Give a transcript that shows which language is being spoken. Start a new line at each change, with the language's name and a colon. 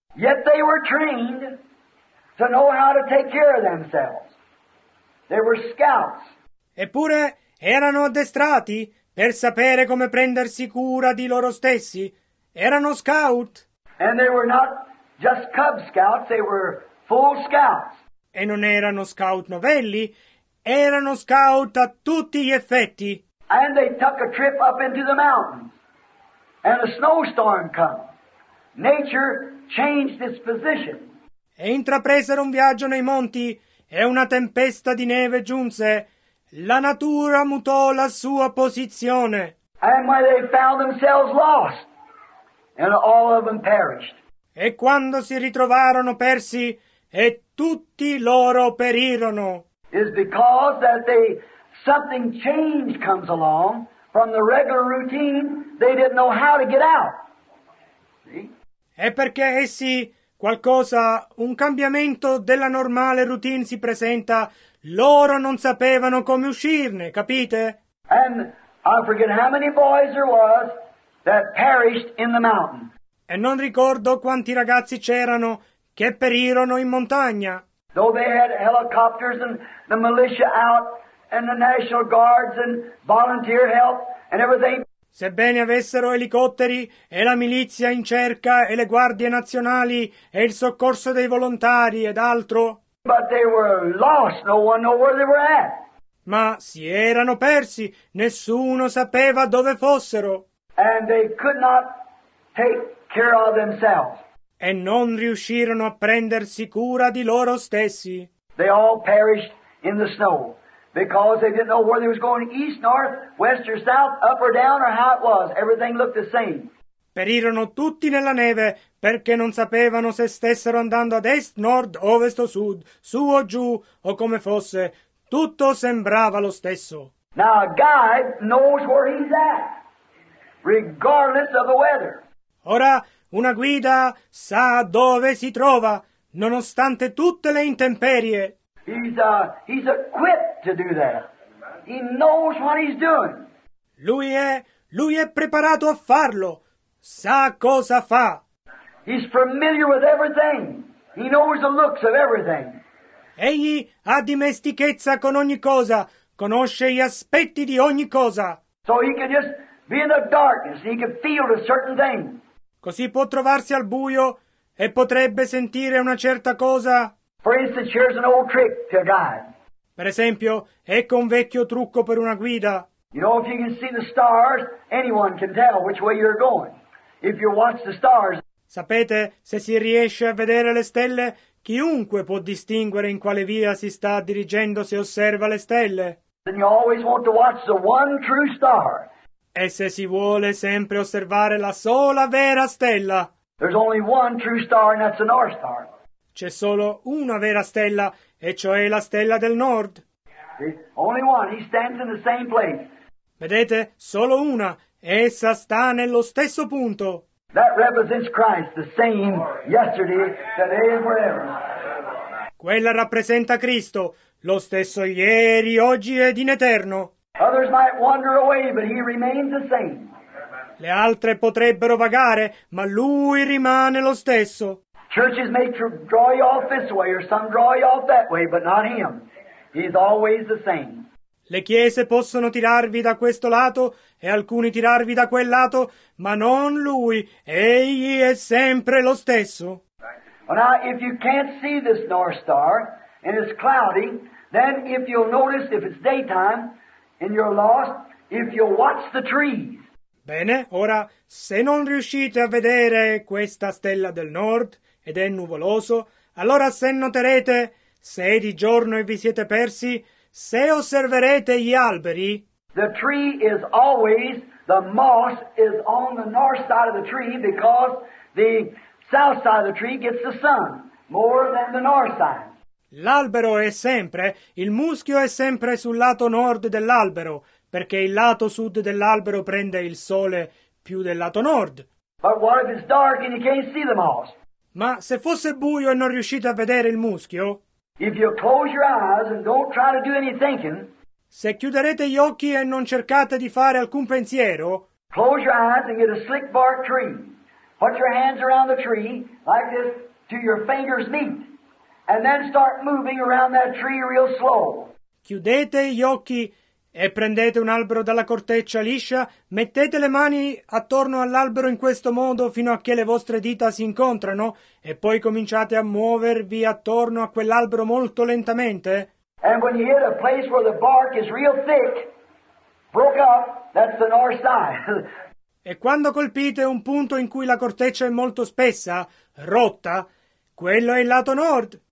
English: Yet they were trained to know how to take care of themselves. They were scouts.
Italian: Eppure erano addestrati per sapere come prendersi cura di loro stessi. Erano scout.
English: And they were not just Cub Scouts, they were full scouts.
Italian: E non erano scout novelli, erano scout a tutti gli effetti.
English: And they took a trip up into the mountains. And a snowstorm came. Nature changed its position.
Italian: E intrapresero un viaggio nei monti e una tempesta di neve giunse. La natura mutò la sua posizione.
English: And when they found themselves lost, and all of them perished.
Italian: E quando si ritrovarono persi e tutti loro perirono.
English: Is because that they something change comes along from the regular routine they didn't know how to get out. See?
Italian: È perché essi qualcosa, un cambiamento della normale routine si presenta, loro non sapevano come uscirne, capite?
English: And I forget how many boys there was that perished in the mountain.
Italian: E non ricordo quanti ragazzi c'erano che perirono in montagna.
English: Though they had helicopters and the militia out and the National Guards and volunteer help and everything.
Italian: Sebbene avessero elicotteri e la milizia in cerca e le guardie nazionali e il soccorso dei volontari ed altro.
English: But they were lost. No one knew where they were at.
Italian: Ma si erano persi. Nessuno sapeva dove fossero.
English: And they could not take care of themselves.
Italian: E non riuscirono a prendersi cura di loro stessi.
English: They all perished in the snow. Because they didn't know where they was going, east, north, west or south, up or down or how it was. Everything looked the same.
Italian: Perirono tutti nella neve perché non sapevano se stessero andando ad est, nord, ovest o sud, su o giù o come fosse. Tutto sembrava lo stesso.
English: Now a guide knows where he's at, regardless of the weather.
Italian: Ora una guida sa dove si trova, nonostante tutte le intemperie.
English: He's equipped to do that. He knows what he's doing.
Italian: Lui è preparato a farlo. Sa cosa fa.
English: He's familiar with everything. He knows the looks of everything.
Italian: Egli ha dimestichezza con ogni cosa. Conosce gli aspetti di ogni cosa.
English: So he can just be in the darkness. He can feel a certain thing.
Italian: Così può trovarsi al buio e potrebbe sentire una certa cosa.
English: For instance, here's an old trick to a guide.
Italian: Per esempio, ecco un vecchio trucco per una guida.
English: You know, if you can see the stars, anyone can tell which way you're going. If you watch the stars.
Italian: Sapete, se si riesce a vedere le stelle, chiunque può distinguere in quale via si sta dirigendo se osserva le stelle.
English: Then you always want to watch the one true star.
Italian: E se si vuole sempre osservare la sola vera stella.
English: There's only one true star, and that's the North Star.
Italian: C'è solo una vera stella, e cioè la stella del nord.
English: Only one. He stands in the same place.
Italian: Vedete, solo una. Essa sta nello stesso punto.
English: That represents Christ, the same yesterday, today and forever.
Italian: Quella rappresenta Cristo, lo stesso ieri, oggi ed in eterno.
English: Others might wander away, but he remains the same.
Italian: Le altre potrebbero vagare, ma lui rimane lo stesso.
English: Churches may draw you off this way or some draw you off that way, but not him. He's always the same.
Italian: Le chiese possono tirarvi da questo lato e alcuni tirarvi da quel lato, ma non lui. Egli è sempre lo stesso.
English: Well, now, if you can't see this North Star and it's cloudy, then if you'll notice if it's daytime and you're lost, if you'll watch the trees.
Italian: Bene, ora, se non riuscite a vedere questa stella del nord, ed è nuvoloso, allora se noterete, se è di giorno e vi siete persi, se osserverete gli alberi.
English: The tree is always, the moss is on the north side of the tree because the south side of the tree gets the sun more than the north side.
Italian: L'albero è sempre, il muschio è sempre sul lato nord dell'albero, perché il lato sud dell'albero prende il sole più del lato nord.
English: But what if it's dark and you can't see the moss?
Italian: Ma se fosse buio e non riuscite a vedere il muschio?
English: If you close your eyes and don't try to do any thinking,
Italian: se chiuderete gli occhi e non cercate di fare alcun pensiero,
English: close your eyes and get a slick bark tree. Put your hands around the tree like this till your fingers meet. And then start moving around that tree real slow.
Italian: Chiudete gli occhi e prendete un albero dalla corteccia liscia, mettete le mani attorno all'albero in questo modo fino a che le vostre dita si incontrano e poi cominciate a muovervi attorno a quell'albero molto lentamente.
English: And when you hit a place where the bark is real thick, broke up, that's the north side.
Italian: E quando colpite un punto in cui la corteccia è molto spessa, rotta, quello è il lato nord.